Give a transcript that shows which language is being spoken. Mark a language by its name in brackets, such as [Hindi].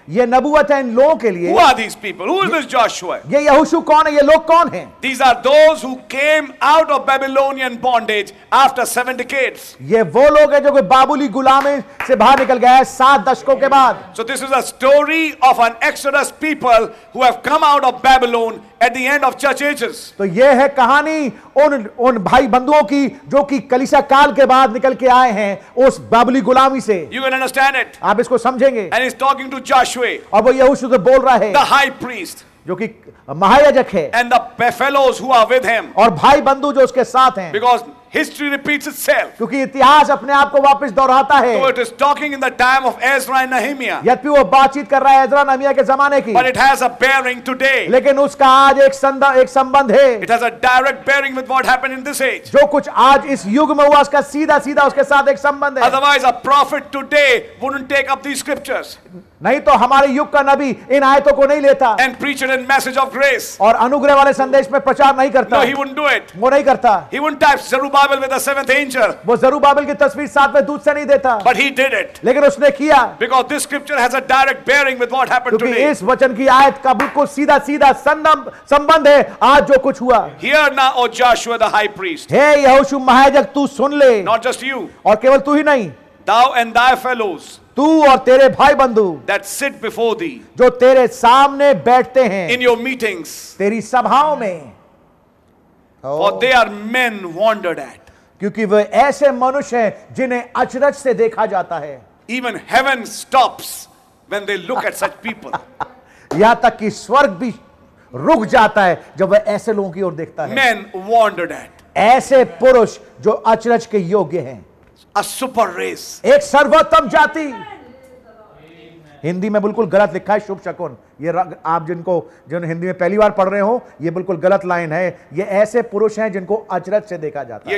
[Hindi] ये नबुवत है इन लोगों के लिए। [English] Who are these people? Who is this Joshua? [Hindi] ये यहोशू कौन है? ये लोग कौन हैं? [English] These are those who came out of Babylonian bondage after 7 decades. [Hindi] ये वो लोग हैं जो कि बाबुली गुलामी से बाहर निकल गए हैं 7 दशकों के बाद। [English] So this is a story of an exodus people who have come out of Babylon at the end of church ages. [Hindi] तो ये है कहानी उन भाई बंधुओं की जो कि कलीसिया काल के बाद निकल के आए हैं उस बाबली गुलामी से। [English] You can understand it. [Hindi] आप इसको समझेंगे। [English] And he's talking to Joshua. [Hindi] और वो यहोशू से बोल रहा है। [English] The high priest. [Hindi] जो कि महायाजक है। [English] And the fellows who are with him. [Hindi] और भाई बंधु जो उसके साथ हैं। [English] Because History repeats itself. [Hindi] क्योंकि इतिहास अपने आप को वापस दोहराता है। [English] So it is talking in the time of Ezra and Nehemiah. [Hindi] यद्यपि वो बातचीत कर रहा है एज्रा नहेमिया के जमाने की। [English] But it has a bearing today. [Hindi] लेकिन उसका आज एक संबंध है। [English] It has a direct bearing with what happened in this age. [Hindi] जो कुछ आज इस युग में हुआ उसका सीधा सीधा उसके साथ एक संबंध है। [English] Otherwise, a prophet today wouldn't take up these scriptures. [Hindi] नहीं तो हमारे युग का नबी इन आयतों को नहीं लेता [English] and preacher and message of grace [Hindi] और अनुग्रह वाले संदेश में प्रचार नहीं करता [English] no he wouldn't do it [Hindi] वो नहीं करता [English] he wouldn't type Zerubbabel with the seventh angel [Hindi] वो ज़रुब्बाबेल की तस्वीर सातवें दूत से नहीं देता [English] but he did it [Hindi] लेकिन उसने किया [English] because this scripture has a direct bearing with what happened today [Hindi] क्योंकि इस वचन की आयत का बिल्कुल सीधा सीधा संबंध है आज जो कुछ हुआ [English] here now O Joshua the high priest [Hindi] हे यहोशू महायाजक तू सुन ले [English] not just you [Hindi] और केवल तू ही नहीं [English] Thou and thy fellows, [Hindi] तू और तेरे भाई बंधु, [English] that sit before thee, [Hindi] जो तेरे सामने बैठते हैं, [English] in your meetings, [Hindi] तेरी सभाओं में, [English] for they are men wondered at, [Hindi] क्योंकि वे ऐसे मनुष्य हैं जिन्हें अचरज से देखा जाता है, [English] even heaven stops when they look at such people, [Hindi] यहां तक कि स्वर्ग भी रुक जाता है जब वह ऐसे लोगों की ओर देखता है, [English] men wondered at, [Hindi] ऐसे पुरुष जो अचरज के योग्य हैं. [English] A super race. [Hindi] एक सर्वोत्तम जाति हिंदी में बिल्कुल गलत लिखा है शुभ शकुन ये आप जिनको जिन हिंदी में पहली बार पढ़ रहे हो ये बिल्कुल गलत लाइन है ये ऐसे पुरुष हैं जिनको अचरज से देखा जाता